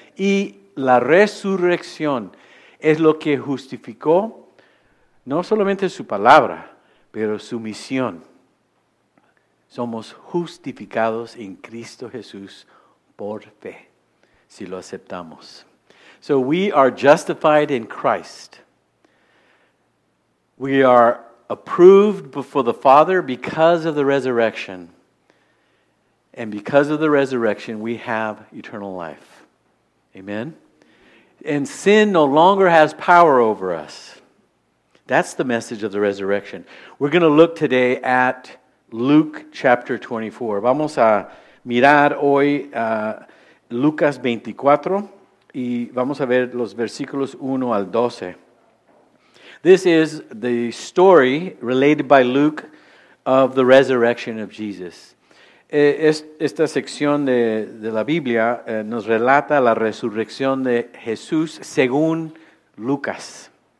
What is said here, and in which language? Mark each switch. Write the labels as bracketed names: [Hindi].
[Spanish] Y la resurrección es lo que justificó no solamente su palabra, pero su misión. Somos justificados en Cristo Jesús por fe, si lo aceptamos. [English] So we are justified in Christ. We are approved before the Father because of the resurrection. And because of the resurrection, we have eternal life. Amen? And sin no longer has power over us. That's the message of the resurrection. We're going to look today at Luke chapter 24. [Spanish] Vamos a mirar hoy Lucas 24 y vamos a ver los versículos 1 al 12. [English] This is the story related by Luke of the resurrection of Jesus. [Spanish] Esta sección de la Biblia nos relata la resurrección de Jesús según Lucas.